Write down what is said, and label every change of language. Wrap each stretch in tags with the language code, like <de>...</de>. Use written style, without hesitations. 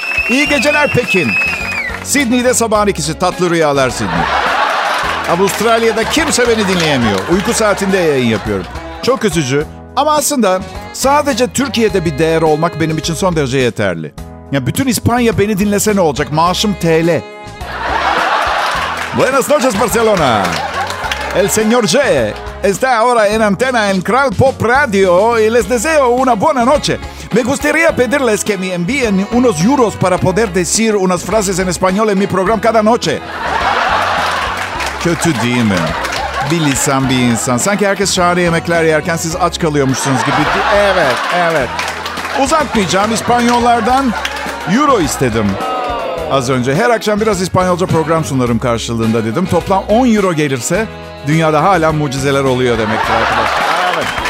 <tr>İyi geceler Pekin. Sydney'de sabahın 2'si. Tatlı rüyalar Sydney. Avustralya'da kimse beni dinleyemiyor. Uyku saatinde yayın yapıyorum. Çok üzücü. Ama aslında sadece Türkiye'de bir değer olmak benim için son derece yeterli. Ya bütün İspanya beni dinlese ne olacak? Maaşım TL.</tr> <es>Buenas noches Barcelona. El señor J está ahora en antena en Kral Pop Radio y les deseo una buena noche. Me gustaría pedirles que me envíen unos euros para poder decir unas frases en español en mi programa cada noche.</es> <tr>Kötü değil mi? Bir lisan bir insan. Sanki herkes şahane yemekler yerken siz aç kalıyormuşsunuz gibi. Evet, evet. Uzatmayacağım, İspanyollardan euro istedim. Az önce her akşam biraz İspanyolca program sunarım karşılığında dedim. Toplam 10 euro gelirse dünyada hala mucizeler oluyor demektir arkadaşlar. Evet.</tr>